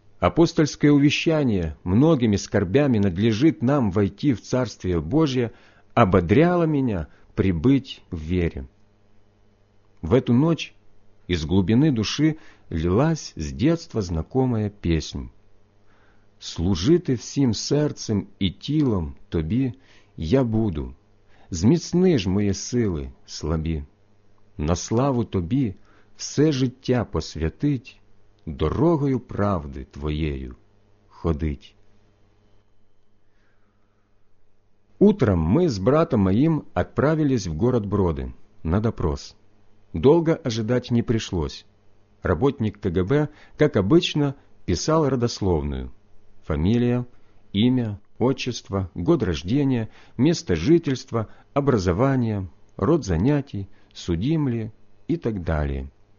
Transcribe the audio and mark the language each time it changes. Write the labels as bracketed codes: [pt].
[ru] апостольское увещание «многими скорбями надлежит нам войти в Царствие Божие» ободряло меня прибыть в вере. В эту ночь из глубины души лилась с детства знакомая песнь. [uk] «Служи ты всім серцем и тілом тобі, я буду, зміцни ж мої сили слабі, на славу тобі все життя посвятить, дорогою правди твоєю ходить». [ru] Утром мы с братом моим отправились в город Броды на допрос. Долго ожидать не пришлось. Работник КГБ, как обычно, писал родословную. Фамилия, имя, отчество, год рождения, место жительства, образование, род занятий, судим ли и так далее.